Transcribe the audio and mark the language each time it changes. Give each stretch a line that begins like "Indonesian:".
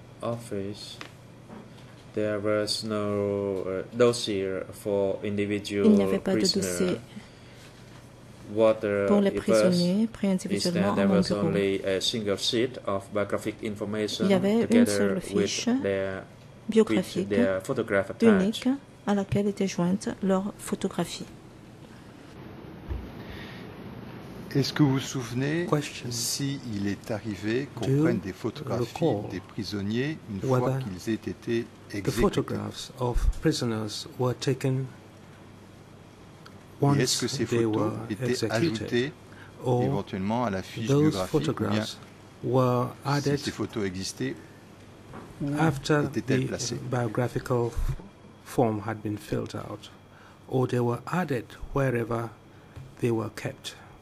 English: office, there was no dossier for individual prisoners.
French: Pour les prisonniers, pris individuellement en nombre de groupes. Il y avait une seule fiche biographique unique à laquelle était jointe leur photographie. Est-ce que vous vous souvenez s'il est arrivé qu'on prenne des photographies des prisonniers une fois qu'ils aient été exécutés?
English: The photographs of prisoners were taken.
French: Et est-ce que ces photos étaient ajoutées éventuellement à la fiche biographique ou bien si ces photos existaient
English: after
French: étaient-elles placées?
English: The biographical form had been filled out or they were added wherever they were kept.